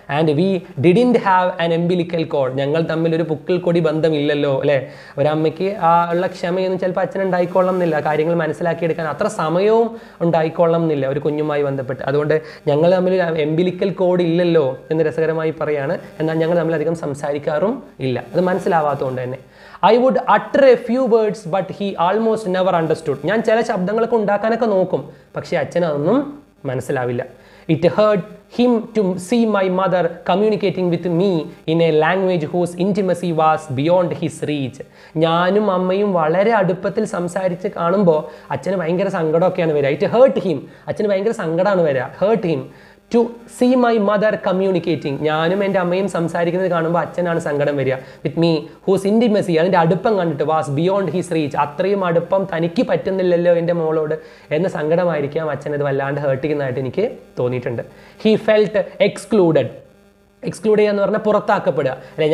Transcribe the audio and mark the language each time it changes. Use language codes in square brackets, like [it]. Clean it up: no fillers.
[en] and we didn't have an umbilical cord, [ml] ഞങ്ങൾ തമ്മിലൊരു പുക്കൽ കൊടി ബന്ധമില്ലല്ലോ അല്ലേ. ഒരമ്മയ്ക്ക് ആ ഉള്ള ക്ഷമയൊന്നും ചിലപ്പോൾ അച്ഛൻ ഉണ്ടായിക്കൊള്ളം എന്നില്ല, കാര്യങ്ങൾ മനസ്സിലാക്കിയെടുക്കാൻ അത്ര സമയവും ഉണ്ടായിക്കൊള്ളം എന്നില്ല ഒരു കുഞ്ഞുമായി ബന്ധപ്പെട്ട്. അതുകൊണ്ട് ഞങ്ങൾ തമ്മിൽ എംബിലിക്കൽ കോഡ് ഇല്ലല്ലോ എന്ന് രസകരമായി പറയാണ്. എന്നാൽ ഞങ്ങൾ തമ്മിലധികം സംസാരിക്കാറും ഇല്ല, അത് മനസ്സിലാവാത്തത് കൊണ്ട് തന്നെ. [en] I would utter a few words but he almost never understood. [ml] ഞാൻ ചില ശബ്ദങ്ങളൊക്കെ ഉണ്ടാക്കാനൊക്കെ നോക്കും, പക്ഷേ അച്ഛൻ അതൊന്നും മനസ്സിലാവില്ല. [en] It hurt him to see my mother communicating with me in a language whose intimacy was beyond his reach. [ml] ഞാനും അമ്മയും വളരെ അടുപ്പത്തിൽ സംസാരിച്ച് കാണുമ്പോൾ അച്ഛന് ഭയങ്കര സങ്കടമൊക്കെയാണ് വരിക. [en] It hurt him. [ml] അച്ഛന് ഭയങ്കര സങ്കടമാണ് വരിക. [en] Hurt him. To see my mother communicating. [ml] ഞാനും എൻ്റെ അമ്മയും സംസാരിക്കുന്നത് കാണുമ്പോൾ അച്ഛനാണ് സങ്കടം വരിക. [en] with me whose intimacy, [ml] അതിൻ്റെ അടുപ്പം കണ്ടിട്ട്, [en] was beyond his reach, [ml] അത്രയും അടുപ്പം തനിക്ക് പറ്റുന്നില്ലല്ലോ എൻ്റെ മോളോട് എന്ന സങ്കടമായിരിക്കാം അച്ഛനത് വല്ലാണ്ട് ഹേർട്ട് ചെയ്യുന്നതായിട്ട് എനിക്ക് തോന്നിയിട്ടുണ്ട്. [en] He felt excluded. [ml] എക്സ്ക്ലൂഡ് ചെയ്യുക എന്ന് പറഞ്ഞാൽ പുറത്താക്കപ്പെടുക അല്ലെ.